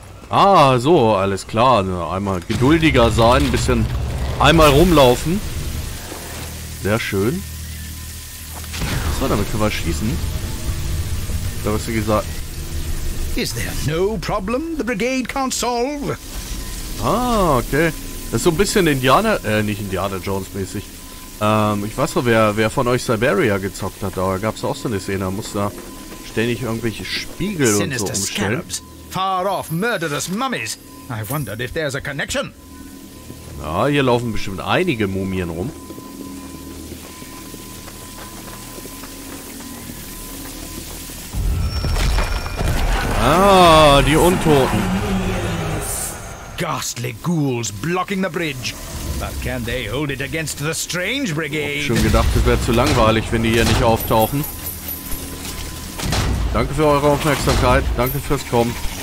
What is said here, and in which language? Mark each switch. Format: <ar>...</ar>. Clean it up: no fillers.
<de>Ah, so, alles klar. Einmal geduldiger sein, ein bisschen einmal rumlaufen. Sehr schön. So, damit können wir schießen. Da hast du gesagt.</de> <en>Is there no problem the brigade can't solve? Ah, okay.</en> <de>Das ist so ein bisschen Indiana, nicht Indiana Jones mäßig. Ich weiß noch, wer von euch Siberia gezockt hat. Da gab es auch so eine Szene, da musste da ständig irgendwelche Spiegel und so umstellen.</de> <en>Far off murderous mummies. I wondered if there's a connection.</en> <de>Ja, hier laufen bestimmt einige Mumien rum. Ah, die Untoten.</de> <en>Ghastly ghouls blocking the bridge. But can they hold it against the Strange Brigade?</en> <de>Ich hab schon gedacht, es wäre zu langweilig, wenn die hier nicht auftauchen. Danke für eure Aufmerksamkeit. Danke fürs Kommen.</de>